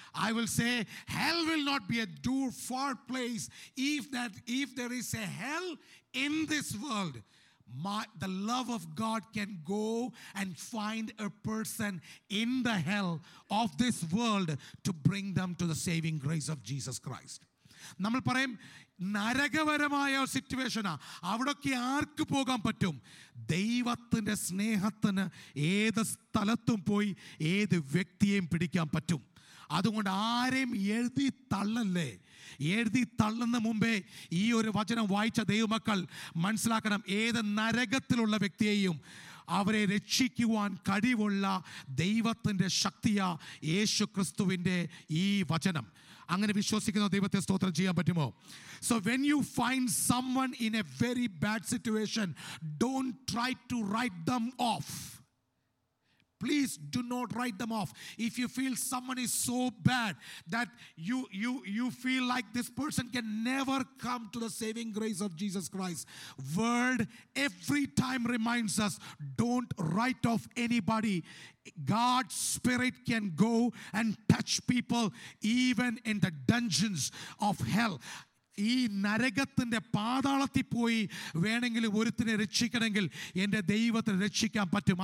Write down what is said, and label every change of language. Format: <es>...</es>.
<en>I will say, hell will not be a too far place. If there is a hell in this world, the love of God can go and find a person in the hell of this world to bring them to the saving grace of Jesus Christ.</en> <ml>നമ്മൾ പറയും നരകപരമായ സിറ്റുവേഷനാ, അവിടൊക്കെ ആർക്ക് പോകാൻ പറ്റും? ദൈവത്തിൻ്റെ സ്നേഹത്തിന് ഏത് സ്ഥലത്തും പോയി ഏത് വ്യക്തിയെയും പിടിക്കാൻ പറ്റും. അതുകൊണ്ട് ആരെയും എഴുതി തള്ളല്ലേ. എഴുതി തള്ളുന്ന മുമ്പേ ഈ ഒരു വചനം വായിച്ച ദൈവമക്കൾ മനസ്സിലാക്കണം, ഏത് നരകത്തിലുള്ള വ്യക്തിയെയും അവരെ രക്ഷിക്കുവാൻ കഴിവുള്ള ദൈവത്തിൻ്റെ ശക്തിയാ യേശു ക്രിസ്തുവിൻ്റെ ഈ വചനം. അങ്ങനെ വിശ്വസിക്കുന്ന ദൈവത്തെ സ്തോത്രം ചെയ്യാൻ പറ്റുമോ?</ml> <en>So when you find someone in a very bad situation, don't try to write them off. Please do not write them off. If you feel someone is so bad that you feel like this person can never come to the saving grace of Jesus Christ, word every time reminds us, don't write off anybody. God's spirit can go and touch people even in the dungeons of hell.</en> <ml>ഈ നരകത്തിന്റെ പാതാളത്തിൽ പോയി വേണമെങ്കിൽ ഒരുത്തിനെ രക്ഷിക്കണമെങ്കിൽ എൻ്റെ ദൈവത്തെ രക്ഷിക്കാൻ പറ്റും.</ml>